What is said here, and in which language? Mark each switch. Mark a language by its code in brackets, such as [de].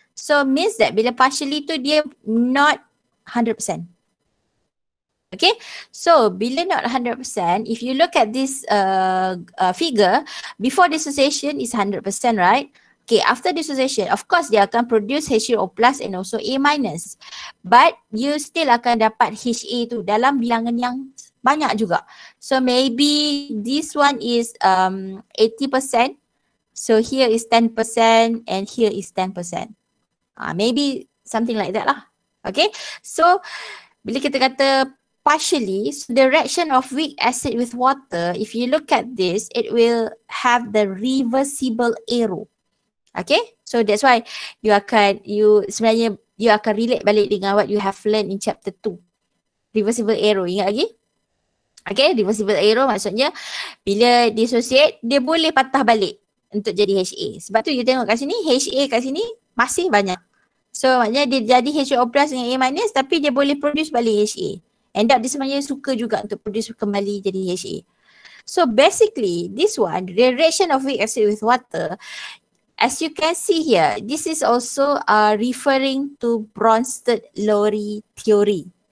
[en] So means that [ms] bila [en] partially [ms] tu dia [en] not 100%. Okay, so bila not 100%, if you look at this figure, before dissociation is 100%, right? Okay, after dissociation, of course [ms] dia akan [en] produce HCO plus and also A minus. But you still [ms] akan dapat HA tu dalam bilangan yang banyak juga. [en] So maybe this one is 80%. So here is 10% and here is 10%. Maybe something like that lah. Okay, so [ms] bila kita kata [en] partially, so the reaction of weak acid with water, if you look at this, it will have the reversible arrow. Okay, so that's why you [ms] akan, you sebenarnya you akan [en] relate [ms] balik dengan [en] what you have learned in chapter 2. [ms] Reversible arrow, ingat lagi? Okay, reversible arrow maksudnya bila dissociate, dia boleh patah balik untuk jadi HA. Sebab tu you tengok kat sini, HA kat sini masih banyak. So maknanya dia jadi HO plus dengan A minus, tapi dia boleh produce balik HA. [en] End up [ms] dia sebenarnya suka juga untuk produce kembali jadi HA. [en] So basically this one, the reaction of weak acid with water, as you can see here, this is also referring to Bronsted-Lowry theory.